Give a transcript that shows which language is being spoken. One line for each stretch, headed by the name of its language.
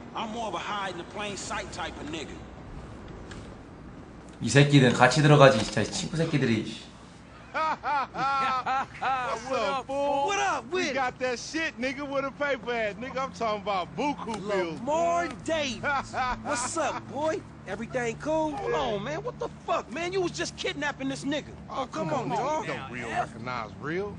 English: I'm more of a hide in the plain sight type of nigga.
Korean: 이 새끼들 같이 들어가지, 진짜 친구 새끼들이.
English: What's up, fool? What up, Whit? We got that shit, nigga, with a paper ad. Nigga, I'm talking about Buku Bill. Lamar Davis. What's up, boy? Everything cool? Hold on, man. What the fuck, man? You was just kidnapping this nigga. Oh, come on, dog. Don't real recognize real.